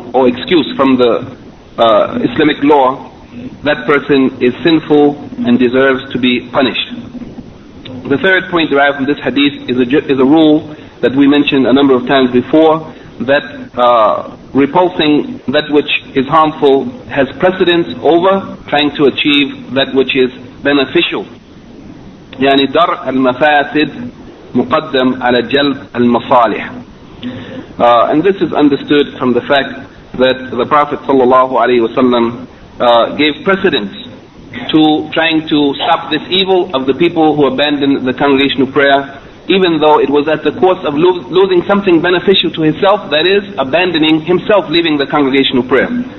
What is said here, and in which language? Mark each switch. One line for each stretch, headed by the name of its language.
English: or excuse from the Islamic law, that person is sinful and deserves to be punished. The third point derived from this hadith is a rule that we mentioned a number of times before, that repulsing that which is harmful has precedence over trying to achieve that which is beneficial.
Arabic: يعني درء المفاسد مقدم على جلب المصالح.
English: And this is understood from the fact that the Prophet sallallahu alaihi wasallam gave precedence to trying to stop this evil of the people who abandoned the congregational prayer, even though it was at the cost of losing something beneficial to himself, that is, abandoning himself, leaving the congregational prayer.